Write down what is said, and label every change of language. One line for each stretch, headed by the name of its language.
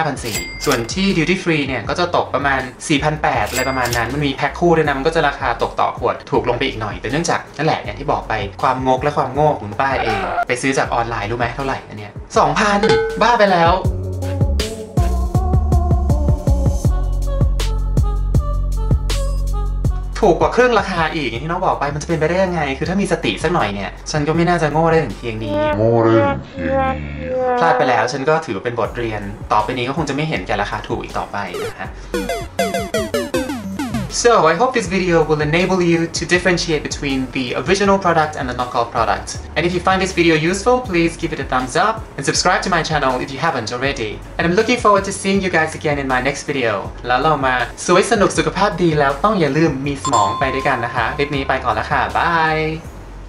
Thai: 5,400 ส่วนที่ Duty Free เนี่ยก็จะตกประมาณ 4,800 อะไรประมาณนั้นมันมีแพ็คคู่ด้วยนะมันก็จะราคาตกต่อขวดถูกลงไปอีกหน่อยแต่เนื่องจากนั่นแหละอย่างที่บอกไปความงกและความโง่ของป้าเองไปซื้อจากออนไลน์รู้ไหมเท่าไหร่อันเนี้ย 2,000 บ้าไปแล้วถูกกว่าเครื่องราคาอีกอย่างที่น้องบอกไปมันจะเป็นไปได้ยังไงคือถ้ามีสติสักหน่อยเนี่ยฉันก็ไม่น่าจะโง่ได้ถึงเพียงนี้โง่ได้ถึงเพียงนี้ พลาดไปแล้วฉันก็ถือเป็นบทเรียนต่อไปนี้ก็คงจะไม่เห็นแก่ราคาถูกอีกต่อไปนะฮะ
English: So I hope this video will enable you to differentiate between the original product and the knockoff product. And if you find this video useful, please give it a thumbs up and subscribe to my channel if you haven't already. And I'm looking forward to seeing you guys again in my next video.
Thai: แล้วเรามาสวยสนุกสุขภาพดีแล้วต้องอย่าลืมมีสมองไปด้วยกันนะคะคลิปนี้ไปก่อนแล้วค่ะบาย